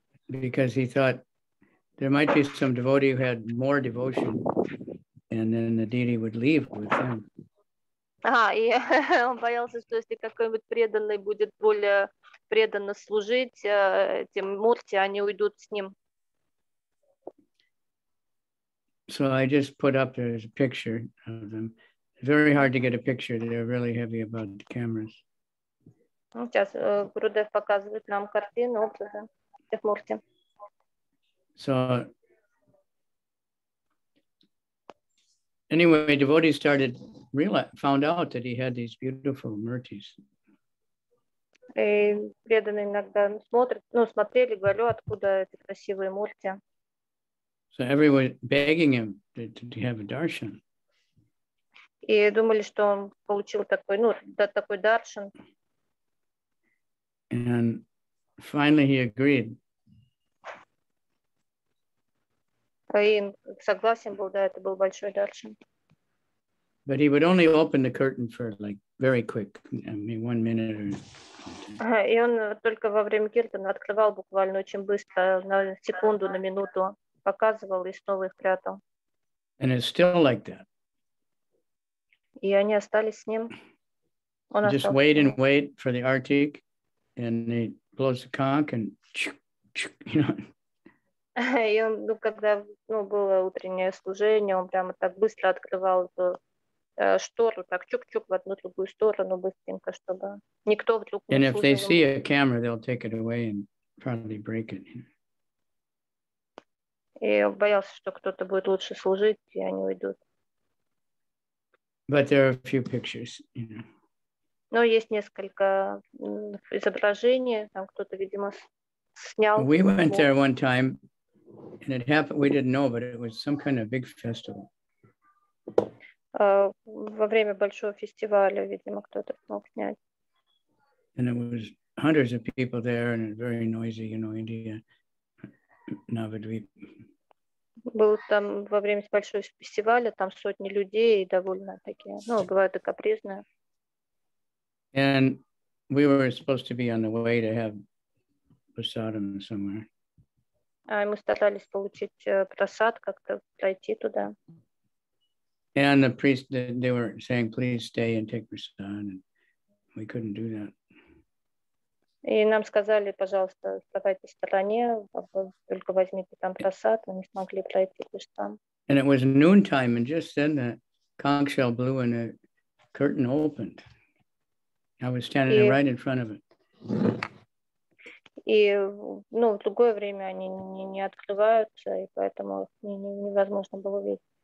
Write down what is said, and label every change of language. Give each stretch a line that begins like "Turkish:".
English: Because he thought there might be some devotee who had more devotion, and then the deity would leave with him.
Russian: А, и он боялся, что если какой-нибудь преданный будет более преданно служить этим мурти, они уйдут с ним.
English: So I just put up there a picture of them. Very hard to get a picture. They're really heavy about the cameras.
Russian: Сейчас Гурудев показывает нам картину этих мурти.
English: So anyway, devotees started found out that he had these beautiful murtis.
Russian: Преданные иногда смотрят, ну смотрели, говорю, откуда эти красивые мурти.
English: So everyone begging him to have a darshan.
Russian: И думали, что он получил такой, ну, да, такой даршан.
English: And finally he agreed.
Russian: И согласен был, да, это был большой даршан.
English: But he would only open the curtain for like very quick, I mean 1 minute or.
Russian: И он только во время киртана открывал буквально очень быстро, на секунду, на минуту. Показывал и снова их прятал.
English: And it's still like that.
Russian: И они остались с ним. Он
English: just
Russian: остался.
English: Wait and wait for the artik, and he blows the conch and you know.
Russian: И он, ну, когда, ну, было утреннее служение, он прямо так быстро открывал эту штору, так чук-чук в одну другую сторону быстренько, чтобы никто вдруг.
English: And if they see a camera, they'll take it away and probably break it.
Russian: И боялся, что кто-то будет лучше служить, и они уйдут.
English: But there are a few pictures, you know.
Russian: Но есть несколько изображений, там кто-то, видимо, снял.
English: We went there one time, and it happened, we didn't know, but it was some kind of big festival.
Russian: Во время большого фестиваля, видимо, кто-то смог снять.
English: And it was hundreds of people there, and it was very noisy, you know, India, Navadvip.
Russian: Был там во время большого фестиваля, там сотни людей и довольно такие, ну, бывают и капризные.
English: And we were supposed to be on the way to have prasadam somewhere.
Russian: А мы старались получить прасад, как-то пройти туда.
English: And the priest, they were saying, please stay and take prasad, and we couldn't do that.
Russian: И нам сказали, пожалуйста, оставайтесь в стороне, только возьмите там просад, мы не смогли пройти лишь там.
English: And it was noontime, and just then the conch shell blew and the curtain opened. I was standing right in front of it.
Russian: И, ну, в другое время они не открываются, и поэтому невозможно было видеть.